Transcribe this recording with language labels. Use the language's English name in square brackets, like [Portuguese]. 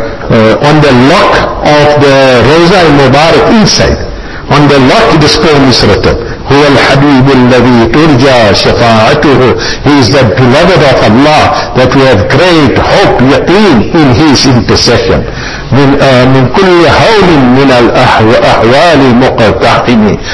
[English] on the lock of the Rosa Mubarak inside. On the lock it is called Misratab. [Arabic] هو الحبيب الذي ترجى شفاعته. [English] He is the beloved of Allah that we have great hope, yaqeen in his intercession. [Arabic] من كل هول من الأحوال مقتحم.